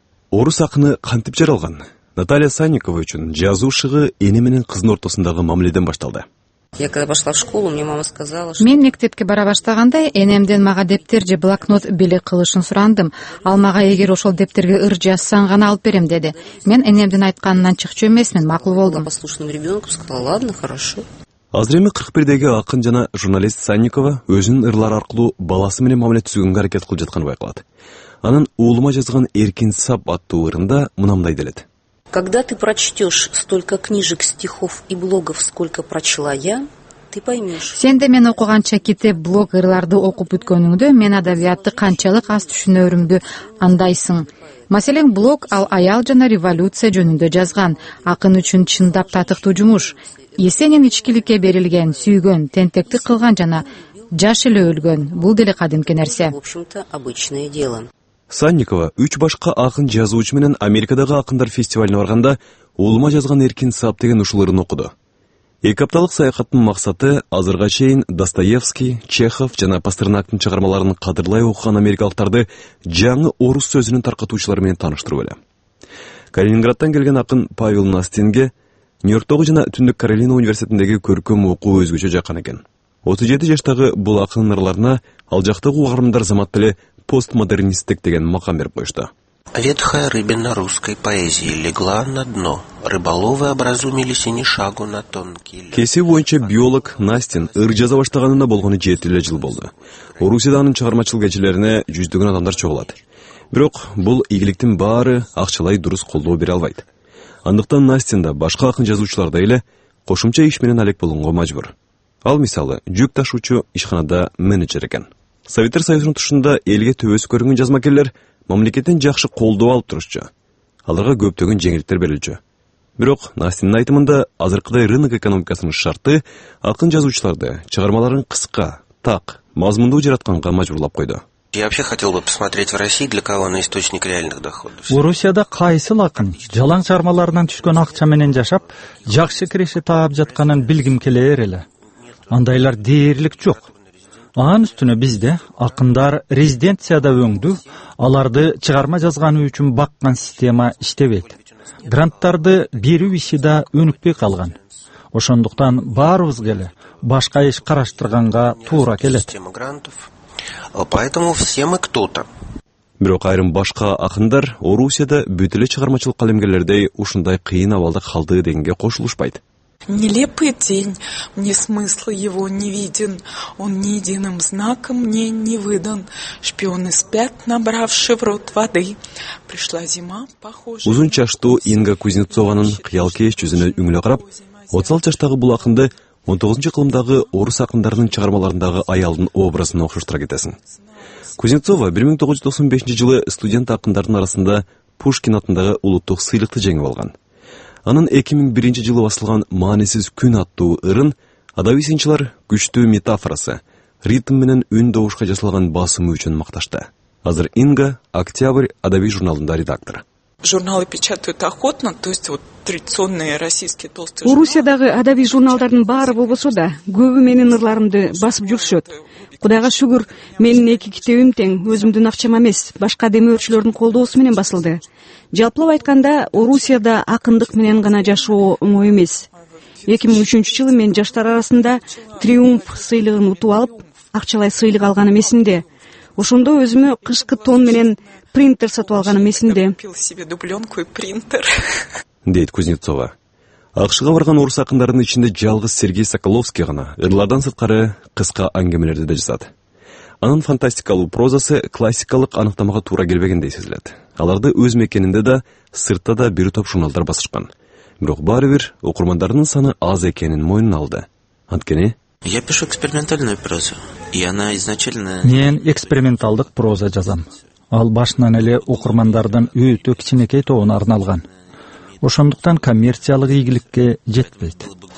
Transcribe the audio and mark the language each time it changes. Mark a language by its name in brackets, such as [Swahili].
[Kyrgyz] Орус акыны кантип жаралган? Наталья Санникова үчүн жазуу шыгы эне менен кызын ортосундагы мамиледен башталды. [Russian] Я когда пошла в школу, мне мама сказала, что... [Kyrgyz] Мен мектепке бара баштаганда энемден мага дептер же блокнот беле кылышын сурандым. Ал мага эгер ошол дептерге ыр жазсаң гана алып берем деди. Мен энемдин айтканынан чыкчу эмесмин, макул болдум. [Russian] Послушным ребёнком сказала: "Ладно, хорошо". [Kyrgyz] Азыр эми 41-деги акын жана журналист Санникова өзүнүн ырлары аркылуу баласы менен мамиле түзгөнгө аракет кылып жатканы байкалат. Анын уулума жазган Эркин Сап аттуу ырында мынамдай делет. [Russian] Когда ты прочтешь столько книжек, стихов и блогов, сколько прочла я, ты поймешь. [Kyrgyz] Сен да мен окуганча китеп, блог, ырларды окуп бүткөнүңдө мен адабиятты канчалык аз түшүнөрүмдү андайсың. Маселен, блог ал аял жана революция жөнүндө жазган. Акын үчүн чындап татыктуу жумуш. Есенин ичкиликке берилген, сүйгөн, тентекти кылган жана жаш эле өлгөн. Бул деле кадимки нерсе. [Russian] В общем-то, обычное дело. [Kyrgyz] Санникова үч башка акын жазуучу менен Америкадагы акындар фестивалына барганда уулума жазган Эркин Сап деген ушул ырын окуду. Эки апталык саякаттын максаты азырга чейин Достоевский, Чехов жана Пастернактын чыгармаларын кадырлай окуган америкалыктарды жаңы орус сөзүнүн таркатуучулары менен тааныштыруу эле. Калининграддан келген акын Павел Настинге Нью-Йорктогу жана Түндүк Каролина университетиндеги көркөм окуу өзгөчө жаккан экен. 37 жаштагы бул акын ырларына ал жактагы угармдар замат тили постмодернисттик деген макам берип коюшту. [Russian] Ветхая рыбина русской поэзии легла на дно. Рыболовы образумились и ни шагу на тонкий лед. [Kyrgyz] Кесе боюнча биолог Настин ыр жаза баштаганына болгону 7 эле жыл болду. Орусияда анын чыгармачылык эжелерине жүздөгөн адамдар чогулат. Бирок бул ийгиликтин баары акчалай дурус колдоо бере албайт. Андыктан Настин да башка акын жазуучулардай эле кошумча иш менен алек болгонго мажбур. Ал мисалы жүк ташуучу ишканада менеджер экен. Советтер Союзунун тушунда элге төбөсү көрүнгөн жазмакерлер мамлекеттен жакшы колдоо алып турушчу. Аларга көптөгөн жеңилдиктер берилчү. Бирок Настин айтымында азыркыдай рынок экономикасынын шарты акын жазуучуларды чыгармаларын кыска, так, мазмундуу жаратканга мажбурлап койду. [Russian] Я вообще хотел бы посмотреть в России, для кого он источник реальных доходов. [Kyrgyz] Орусияда кайсыл акын жалаң чыгармаларынан түшкөн акча менен жашап, жакшы киреше таап жатканын билгим келер эле. Андайлар дээрлик жок. Анын үстүнө бизде акындар резиденцияда өңдү, аларды чыгарма жазганы үчүн баккан система иштебейт. Гранттарды берүү иши да өнүкпөй калган. Ошондуктан баарыбызга эле башка иш караштырганга туура келет. [Russian] Поэтому все мы кто-то. [Kyrgyz] Бирок айрым башка акындар Орусияда бүт эле чыгармачылык калемгерлердей ушундай кыйын абалда калды дегенге кошулушпайт. [Russian] Нелепый день, мне смысл его не виден, он ни единым знаком мне не выдан. Шпионы спят, набравши в рот воды. Пришла зима, похоже. [Kyrgyz] Узун чаштуу Инга Кузнецованын кыял кеш жүзүнө үңүлө карап, 36 жаштагы бул акынды 19-чы кылымдагы орус акындарынын чыгармаларындагы аялдын образын окшуштура кетесиң. Кузнецова 1995 жылы студент акындардын арасында Пушкин атындагы улуттук сыйлыкты жеңип алган. Анын 2001 жылы басылган «Маанисиз күн» аттуу ырын, адаби сынчылар күчтүү метафорасы, ритм менен үн добушка жасалган басымы үчүн макташты. Азыр Инга «Октябрь» адаби журналында редактор. [Russian] Журналы печатают охотно, то есть вот традиционные российские толстые журналы. [Kyrgyz] Орусиядагы адабий журналдардын баары болбосо да, көбү менин ырларымды басып жүрүшөт. Кудайга шүгүр, менин эки китебим тең, өзүмдүн акчам эмес, башка демөөрчүлөрдүн колдоосу менен басылды. Жалпылап айтканда, Орусияда акындык менен гана жашоо оңой эмес. 2003 жылы мен жаштар арасында Триумф сыйлыгын утуп алып, акчалай сыйлык алганым эсимде. Ошондо өзүмө кышкы тон менен принтер сатып алганым эсимде. [Russian] Купил себе дубленку и принтер. [Kyrgyz] Дейт Кузнецова. Акшыга барган орус акындарынын ичинде жалгыз Сергей Соколовский гана ырлардан сырткары кыска [Kazakh] әңгімелерді де жазады. [Kyrgyz] Анын фантастикалуу прозасы классикалык анықтамаға туура келбегендей сезилет. Аларды өз мекенинде да, сыртта да бир топ журналдар басышкан. Бирок баары бир окурмандарынын саны аз экенин мойнуна алды. Анткени [Russian] Я пишу экспериментальную прозу, и она изначально... [Kyrgyz] Мен эксперименталдык проза жазам. Ал башынан эле окурмандардын үйүтө кичинекей тобуна арналган. Ошондуктан коммерциялык ийгиликке жетпейт.